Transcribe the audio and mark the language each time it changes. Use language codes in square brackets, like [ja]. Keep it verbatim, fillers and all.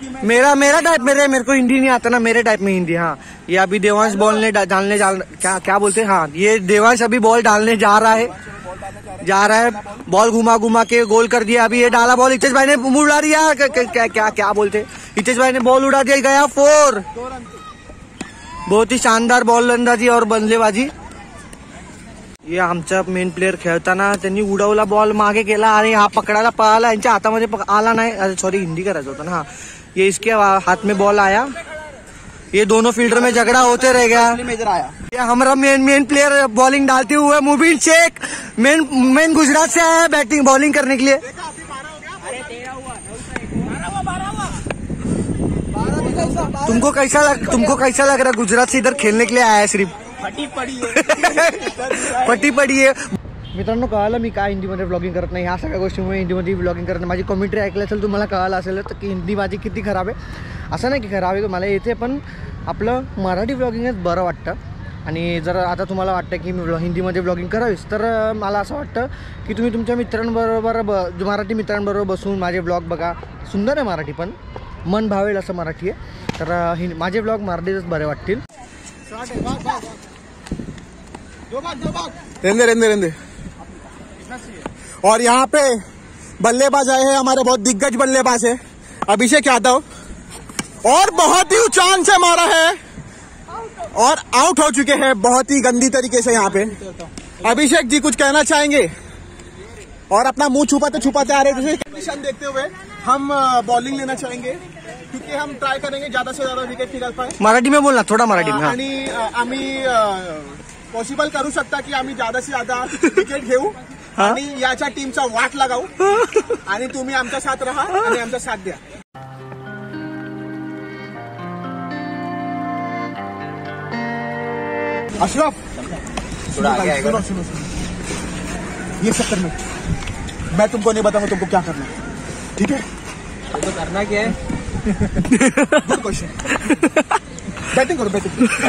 [hi] मेरा मेरा टाइप मेरे मेरे को हिंदी नहीं आता ना, मेरे टाइप में हिंदी. हाँ ये अभी देवांश बॉल ने डालने जा क्या क्या बोलते हैं, हाँ ये देवांश अभी बॉल डालने जा रहा है जा रहा है बॉल घुमा घुमा के गोल कर दिया. अभी ये डाला बॉल, हितेश भाई ने उड़ा दिया, क्या क्या क्या बोलते, हितेश भाई ने बॉल उड़ा दिया, गया फोर. बहुत ही शानदार बॉलंदाजी और बल्लेबाजी. [mr] ये आमचा मेन प्लेयर खेळताना त्यांनी उडवला बॉल, मागे गेला आणि हा पकडायला पळाला, यांच्या हातामध्ये आला नाही. अरे सॉरी हिंदी करायचं होतं ना. [hi] हा ये इसके हाथ में बॉल आया, ये दोनों फील्डर में झगड़ा होते रह गया. ये हमारा मेन मेन प्लेयर बॉलिंग डालते हुए मुबीन शेख, मेन मेन गुजरात से आया बैटिंग बॉलिंग करने के लिए. तुमको कैसा लग तुमको कैसा लग रहा, गुजरात से इधर खेलने के लिए आया सिर्फ [mr] पटी पडी पटी पडी आहे. मित्रांनो कळालं मी काय हिंदीमध्ये ब्लॉगिंग करत नाही, ह्या सगळ्या गोष्टीमुळे हिंदीमध्ये ब्लॉगिंग करत नाही. माझी कॉमेंट्री ऐकली असेल तुम्हाला कळालं असेल तर की हिंदी माझी किती खराब आहे. असं नाही की खराब आहे, तुम्हाला येते, पण आपलं मराठी ब्लॉगिंगच बरं वाटतं. आणि जर आता तुम्हाला वाटतं की मी हिंदीमध्ये ब्लॉगिंग करावीस, तर मला असं वाटतं की तुम्ही तुमच्या मित्रांबरोबर ब मराठी मित्रांबरोबर बसून माझे ब्लॉग बघा. सुंदर आहे मराठी, पण मन भावेल असं मराठी आहे. तर हिं माझे ब्लॉग मराठीतच बरे वाटतील. [hi] रहने रहने रहने और यहाँ पे बल्लेबाज आए हैं हमारे बहुत दिग्गज बल्लेबाज है अभिषेक यादव और बहुत ही उचान से मारा है और आउट हो चुके हैं बहुत ही गंदी तरीके से यहाँ पे। अभिषेक जी कुछ कहना चाहेंगे और अपना मुंह छुपाते छुपाते आ रहे थे कंडीशन देखते हुए हम बॉलिंग लेना चाहेंगे क्योंकि हम ट्राय करेंगे ज्यादा से ज्यादा विकेट निकाल पाए। मराठी में बोलना थोडा मराठी में. [mr] आणि आम्ही पॉसिबल करू शकता की आम्ही [hi] ज्यादा से ज्यादा [mr] विकेट घेऊ आणि याच्या टीमचा वाट लागाऊ आणि तुम्ही आमच्या साथ राहा आणि आमचा साथ द्या. [hi] अशरफ सुनो सुनो ये सब करना मैं तुमको नहीं बताऊंगा तुमको क्या करना है ठीक है तो करना क्या है गुड क्वेश्चन बैटिंग करो बैटिंग